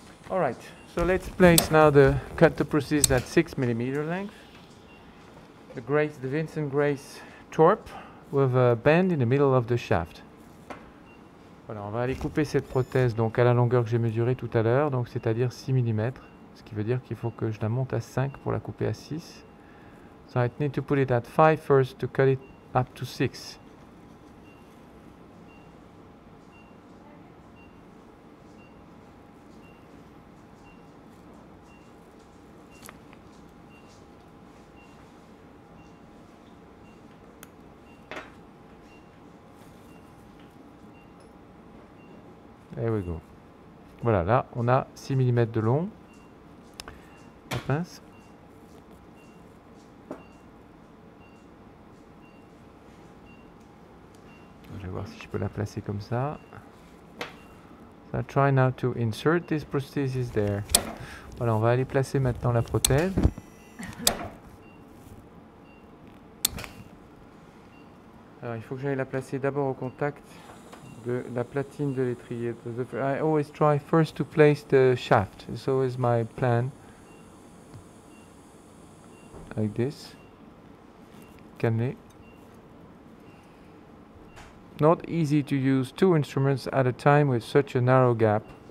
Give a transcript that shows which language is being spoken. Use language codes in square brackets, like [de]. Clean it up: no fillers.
[en] Alright, so let's place now the cut to proceed at 6 mm length. The Vincent Grace torp with a bend in the middle of the shaft. [fr] Voilà, on va aller couper cette prothèse donc à la longueur que j'ai mesurée tout à l'heure, donc c'est-à-dire 6 mm, ce qui veut dire qu'il faut que je la monte à 5 pour la couper à 6. [en] So I need to put it at 5 first to cut it up to 6. There we go. [fr] Voilà, là, on a 6 mm de long. La pince. Je vais voir si je peux la placer comme ça. [en] So I try now to insert this prosthesis there. [fr] Voilà, on va aller placer maintenant la prothèse. Alors, il faut que j'aille la placer d'abord au contact de la platine de l'étrier. [en] I always try first to place the shaft. It's always my plan. Like this. Cannelé. Not easy to use two instruments at a time with such a narrow gap.